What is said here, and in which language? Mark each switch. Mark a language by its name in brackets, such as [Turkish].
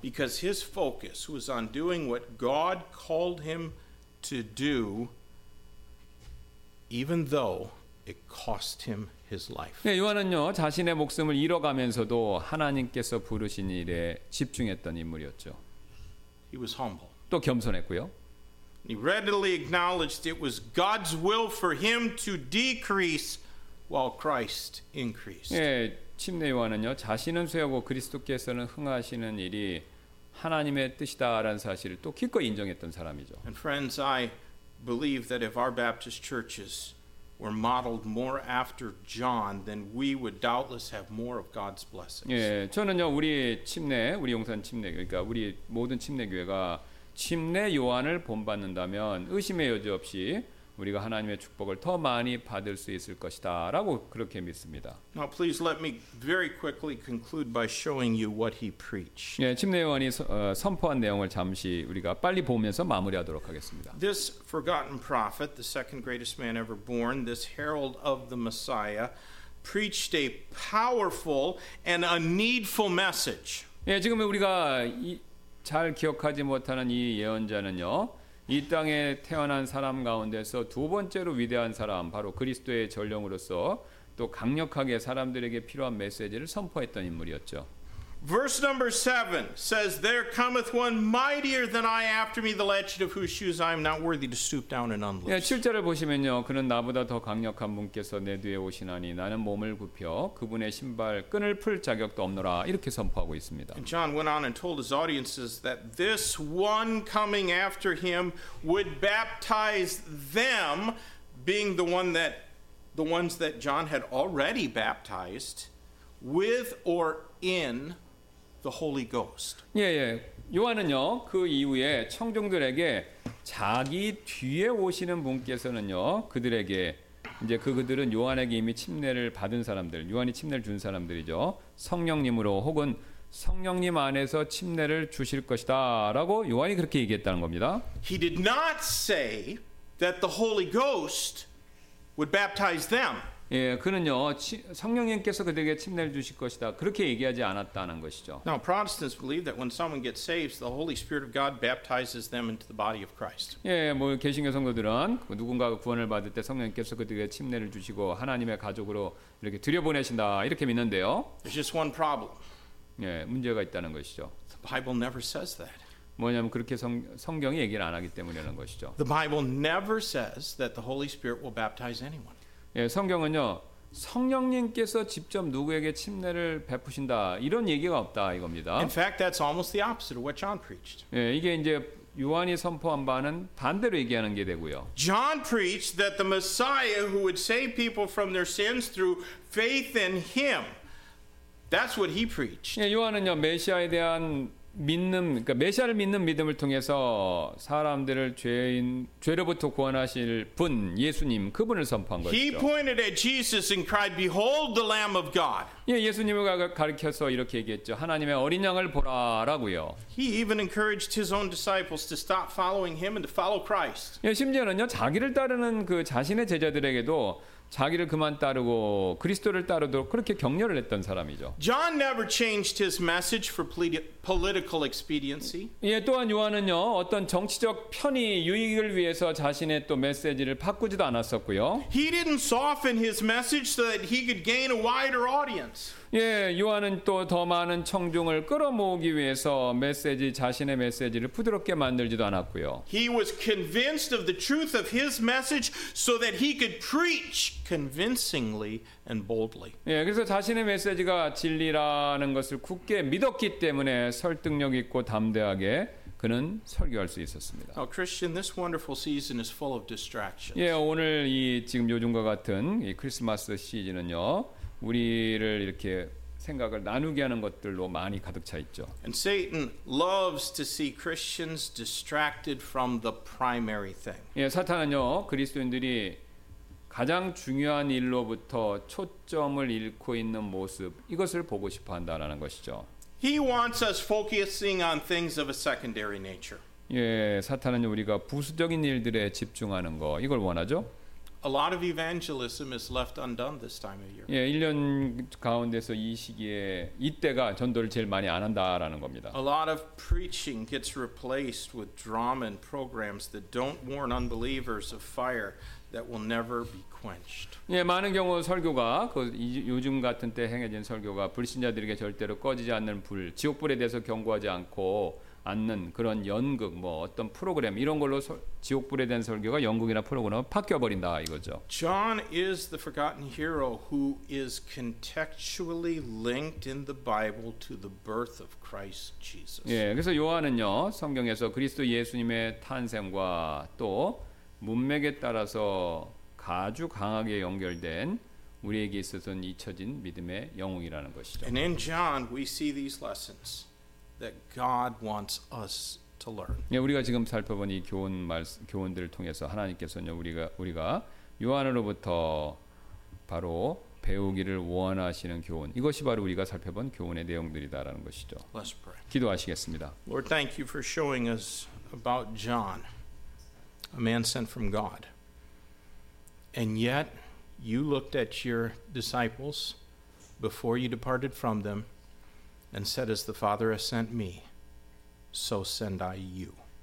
[English] Because his focus was on doing what God called him to do, even though it cost him his life. [Korean] 네, 요한은요 자신의 목숨을 잃어가면서도 하나님께서 부르신 일에 집중했던 인물이었죠. [English] He was humble. [Korean] 또 겸손했고요. [English] He readily acknowledged it was God's will for him to decrease while Christ increased. [Korean] 네. 침례 요한은요 자신은 쇠하고 그리스도께서는 흥하시는 일이 하나님의 뜻이다라는 사실을 또 기꺼이 인정했던 사람이죠. [English] And friends, I believe that if our Baptist churches were modeled more after John, then we would doubtless have more of God's blessings. [Korean] 예, 저는요 우리 침례, 우리 용산 침례, 그러니까 우리 모든 침례 교회가 침례 요한을 본받는다면 의심의 여지 없이 우리가 하나님의 축복을 더 많이 받을 수 있을 것이다라고 그렇게 믿습니다. [English] Now please let me very quickly conclude by showing you what he preached. [Korean] 예, 침례 요한이 선포한 내용을 잠시 우리가 빨리 보면서 마무리하도록 하겠습니다. [English] This forgotten prophet, the second greatest man ever born, this herald of the Messiah, preached a powerful and a needful message. [Korean] 예, 지금 우리가 잘 기억하지 못하는 이 예언자는요. 이 땅에 태어난 사람 가운데서 두 번째로 위대한 사람, 바로 그리스도의 전령으로서 또 강력하게 사람들에게 필요한 메시지를 선포했던 인물이었죠. [English] Verse number 7 says, There cometh one mightier than I after me, the latchet of whose shoes I am not worthy to stoop down and unloose. [Korean] 예, 7절을 보시면요. 그는 나보다 더 강력한 분께서 내 뒤에 오시나니 나는 몸을 굽혀 그분의 신발 끈을 풀 자격도 없노라. 이렇게 선포하고 있습니다. [English] And John went on and told his audiences that this one coming after him would baptize them, being the one that the ones that John had already baptized with or in the Holy Ghost. [Korean] 예, 예. 요한은요. 그 이후에 청중들에게 자기 뒤에 오시는 분께서는요. 그들에게 이제 그들은 요한에게 이미 침례를 받은 사람들, 요한이 침례를 준 사람들이죠. 성령님으로 혹은 성령님 안에서 침례를 주실 것이다라고 요한이 그렇게 얘기했다는 겁니다. [English] He did not say that the Holy Ghost would baptize them. [Korean] 예, 그는요 성령님께서 그들에게 침례를 주실 것이다 그렇게 얘기하지 않았다는 것이죠. [English] Now Protestants believe that when someone gets saved, the Holy Spirit of God baptizes them into the body of Christ. [Korean] 예, 뭐 개신교 성도들은 누군가가 구원을 받을 때 성령님께서 그들에게 침례를 주시고 하나님의 가족으로 이렇게 들여보내신다 이렇게 믿는데요. [English] There's just one problem. [Korean] 예, 문제가 있다는 것이죠. [English] The Bible never says that. [Korean] 뭐냐면 그렇게 성경이 얘기를 안 하기 때문이라는 것이죠. [English] The Bible never says that the Holy Spirit will baptize anyone. [Korean] 예, 성경은요 성령님께서 직접 누구에게 침례를 베푸신다 이런 얘기가 없다 이겁니다. [English] In fact, that's almost the opposite of what John preached. [Korean] 예, 이게 이제 요한이 선포한 바는 반대로 얘기하는 게 되고요. [English] John preached that the Messiah who would save people from their sins through faith in Him. That's what he preached. [Korean] 예, 요한은요 메시아에 대한 믿는, 그러니까 메시아를 믿는 믿음을 통해서 사람들을 죄로부터 구원하실 분 예수님 그분을 선포한 것이죠. [English] He pointed at Jesus and cried, "Behold, the Lamb of God." [Korean] 예, 예수님을 가리켜서 이렇게 얘기했죠. 하나님의 어린 양을 보라라고요. [English] He even encouraged his own disciples to stop following him and to follow Christ. [Korean] 예, 심지어는요 자기를 따르는 그 자신의 제자들에게도 자기를 그만 따르고 그리스도를 따르도록 그렇게 격려를 했던 사람이죠. [English] John never changed his message for political expediency. [Korean] 예, 또한 요한은요 어떤 정치적 편의 유익을 위해서 자신의 또 메시지를 바꾸지도 않았었고요. [English] He didn't soften his message so that he could gain a wider audience. [Korean] 예, 요한은 또 더 많은 청중을 끌어모으기 위해서 메시지 자신의 메시지를 부드럽게 만들지도 않았고요. [English] He was convinced of the truth of his message so that he could preach convincingly and boldly. [Korean] 예, 그래서 자신의 메시지가 진리라는 것을 굳게 믿었기 때문에 설득력 있고 담대하게 그는 설교할 수 있었습니다. [English] Now, Christian, this wonderful season is full of distractions. [Korean] 예, 오늘 이 지금 요즘과 같은 이 크리스마스 시즌은요. 우리를 이렇게 생각을 나누게 하는 것들로 많이 가득 차 있죠. [English] And Satan loves to see Christians distracted from the primary thing. [Korean] 예, 사탄은요. 그리스도인들이 가장 중요한 일로부터 초점을 잃고 있는 모습 이것을 보고 싶어 한다라는 것이죠. [English] He wants us focusing on things of a secondary nature. [Korean] 예, 사탄은요. 우리가 부수적인 일들에 집중하는 거 이걸 원하죠. [English] A lot of evangelism is left undone this time of year. [Korean] 예, 1년 가운데서 이 시기에 이때가 전도를 제일 많이 안 한다라는 겁니다. [English] A lot of preaching gets replaced with drama and programs that don't warn unbelievers of fire that will never be quenched. [Korean] 예, 많은 경우 설교가 그 요즘 같은 때 행해진 설교가 불신자들에게 절대로 꺼지지 않는 불, 지옥불에 대해서 경고하지 않고 않는 그런 연극 뭐 어떤 프로그램 이런 걸로 지옥불에 대한 설교가 연극이나 프로그램 바뀌어 버린다 이거죠. [English] John is the forgotten hero who is contextually linked in the Bible to the birth of Christ Jesus. [Korean] 예, 그래서 요한은요. 성경에서 그리스도 예수님의 탄생과 또 문맥에 따라서 아주 강하게 연결된 우리에게 있어서는 잊혀진 믿음의 영웅이라는 것이죠. [English] And in John, we see these lessons that God wants us to learn. [Korean] 예, 우리가 지금 살펴본 이 교훈 말씀, 교훈들을 통해서 하나님께서는 우리가 요한으로부터 바로 배우기를 원하시는 교훈, 이것이 바로 우리가 살펴본 교훈의 내용들이다라는 것이죠. [English] Let's pray. [Korean] 기도하시겠습니다. [English] Lord, thank you for showing us about John, a man sent from God. And yet, you looked at your disciples before you departed from them and said, as the Father has sent me, so send I you.